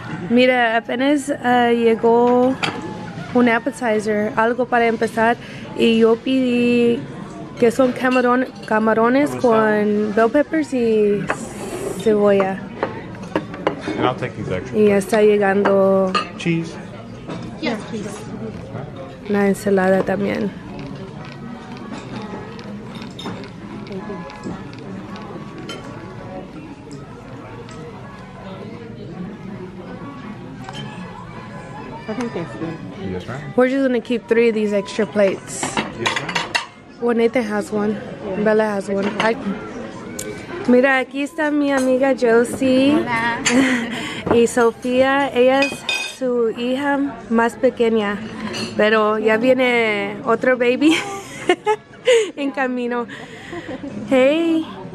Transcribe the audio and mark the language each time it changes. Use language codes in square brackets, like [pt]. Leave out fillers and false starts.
[es] Mira, apenas llegó un appetizer, algo para empezar, y yo pedí que son camarones con bell peppers y cebolla. [en] And I'll take these extra. [es] Y ya está llegando. [en] Cheese. Yeah, [es] cheese. Una ensalada también. [en] Yes, ma'am. We're just gonna keep three of these extra plates. Yes, ma'am. Well, Nathan has one. Yeah. Bella has one. [es] Mira, aquí está mi amiga Josie. Hola. Y Sofía, ella es su hija más pequeña. Pero ya viene otro baby. en camino. Hey.